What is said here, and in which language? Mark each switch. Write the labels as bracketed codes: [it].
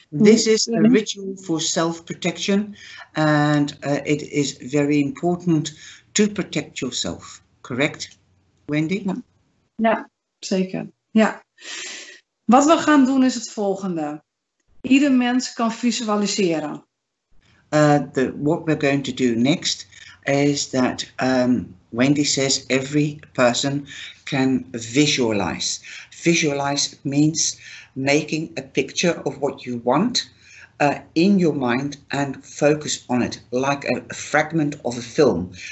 [en] This is a ritual for self-protection and it is very important to protect yourself. Correct, Wendy? [nl] Ja, zeker. Ja. Wat we gaan doen is het volgende. Ieder mens kan visualiseren. [en] What we're going to do next is that Wendy says every person can visualize. Visualize means making a picture of what you want in your mind and focus on it like a fragment of a film.